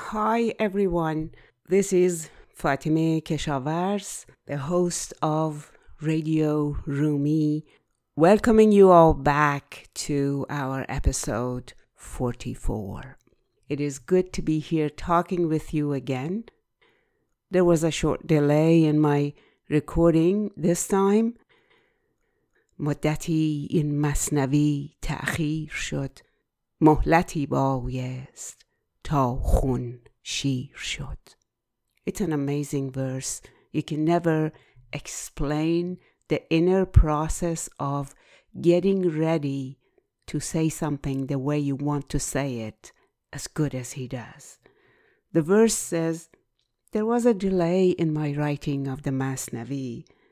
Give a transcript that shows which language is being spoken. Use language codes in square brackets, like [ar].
[en] Hi everyone, this is Fatime Keshavarz, the host of Radio Rumi, welcoming you all back to our episode 44. It is good to be here talking with you again. There was a short delay in my recording this time. [fa] مدتی این مثنوی تأخیر شد. مهلتی بایست تا خون شیر شد. [en] It's an amazing verse. You can never explain the inner process of getting ready to say something the way you want to say it as good as he does. The verse says, there was a delay in my writing of the Masnavi.